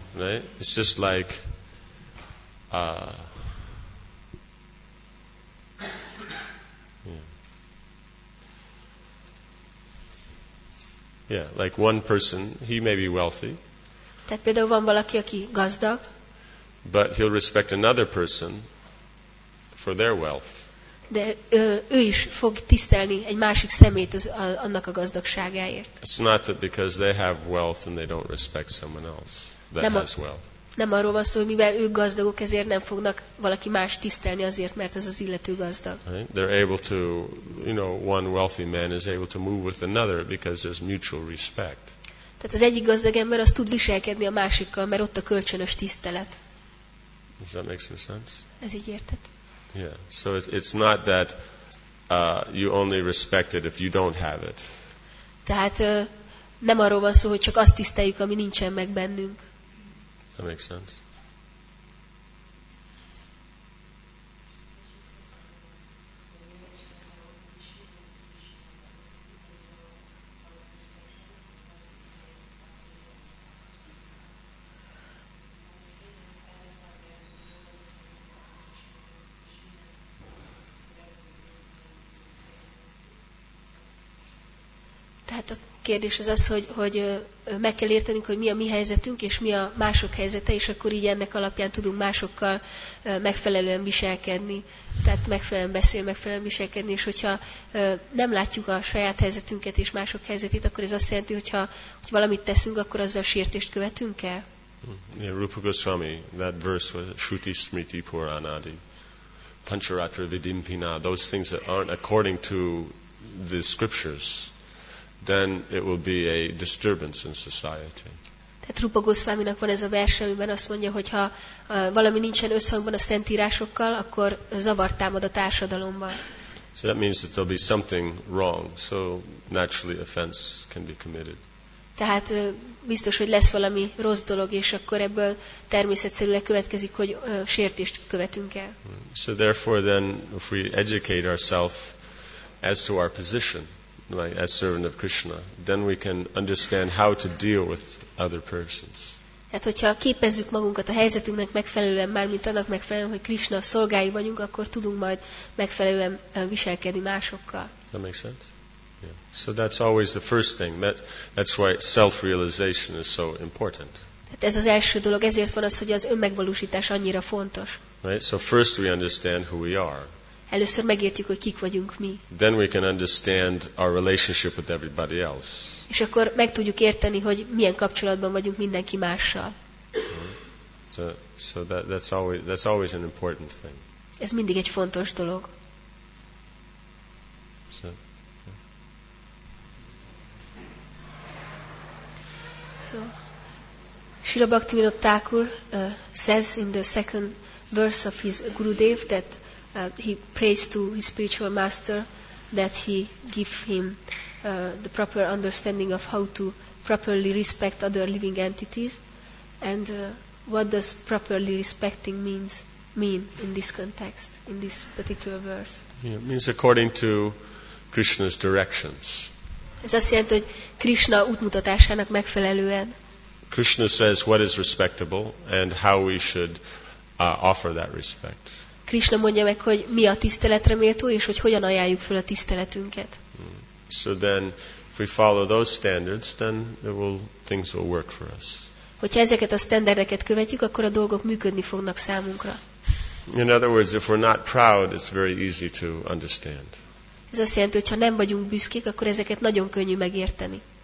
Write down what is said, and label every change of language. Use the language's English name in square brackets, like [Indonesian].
[English] Right? It's just like Yeah, like one person, he may be wealthy. [Hungarian] Tehát például van valaki, aki gazdag. [English] But he'll respect another person for their wealth. [Hungarian] De ő is fog tisztelni egy másik szemét annak a gazdagságáért. [English] It's not that because they have wealth and they don't respect someone else that has wealth. [Hungarian] Nem arról van szó, hogy mivel ők gazdagok, ezért nem fognak valaki más tisztelni azért, mert ez az illető gazdag. [English] Right? They're able to, you know, one wealthy man is able to move with another because there's mutual respect. [Hungarian] Tehát az egyik gazdag ember az tud viselkedni a másikkal, mert ott a kölcsönös tisztelet. [English] Does that make some sense? [Hungarian] Ez így érted? [English] Yeah. So it's not that you only respect it if you don't have it. [Hungarian] Tehát nem arról van szó, hogy csak azt tiszteljük, ami nincsen meg bennünk. [English] That makes sense. [Hungarian] Kérdés az az, hogy meg kell értenünk, hogy mi a mi helyzetünk, és mi a mások helyzete, és akkor így ennek alapján tudunk másokkal megfelelően viselkedni. Tehát megfelelően beszél, megfelelően viselkedni, és hogyha nem látjuk a saját helyzetünket és mások helyzetét, akkor ez azt jelenti, hogy valamit teszünk, akkor azzal sértést követünk el. [English] Yeah, Rupa Goswami, that verse was [Sanskrit] Shruti Smriti Puranadi, Pancharatra Vidimpina, [English] those things that aren't according to the scriptures. Then it will be a disturbance in society. [Hungarian] Tehát Rupa Goszváminak van ez a verse, amiben azt mondja, hogy ha valami nincsen összhangban a szentírásokkal, akkor zavart támad a társadalomban. [English] So that means that there'll be something wrong, so naturally offense can be committed. [Hungarian] Tehát biztos, hogy lesz valami rossz dolog, és akkor ebből természetszerűen következik, hogy sértést követünk el. [English] So therefore then, if we educate ourselves as to our position, like as servant of Krishna, then we can understand how to deal with other persons. [Hungarian] Hát hogyha képezzük magunkat a helyzetünknek megfelelően, mármint annak megfelelően, hogy Krishna szolgái vagyunk, akkor tudunk majd megfelelően viselkedni másokkal. [English] That makes sense? Yeah. So that's always the first thing. That's why self-realization is so important. [Hungarian] Tehát ez az első dolog, ezért van az, hogy az önmegvalósítás annyira fontos. [English] Right? So first we understand who we are. [Hungarian] Először megértjük, hogy kik vagyunk mi. [English] Then we can understand our relationship with everybody else. [Hungarian] És akkor meg tudjuk érteni, hogy milyen kapcsolatban vagyunk mindenki mással. [English] So that's always an important thing. [Hungarian] Ez mindig egy fontos dolog. [English] So Srila Bhaktivinoda Thakur says in the second verse of his Gurudev that he prays to his spiritual master that he give him the proper understanding of how to properly respect other living entities. And what does properly respecting means mean in this context, in this particular verse? Yeah, it means according to Krishna's directions. [Hungarian] Ez azt jelenti, hogy Krishna útmutatásának megfelelően. [English] Krishna says what is respectable and how we should offer that respect. [Hungarian] Krishna mondja meg, hogy mi a tiszteletre méltó, és hogy hogyan ajánljuk fel a tiszteletünket. [English] So then, if we follow those standards, then things will work for us. [Hungarian] Hogyha ezeket a standardeket követjük, akkor a dolgok működni fognak számunkra. [English] In other words, if we're not proud, it's very easy to understand. [Hungarian] Ez azt jelenti, hogy ha nem vagyunk büszkék, akkor ezeket nagyon könnyű megérteni.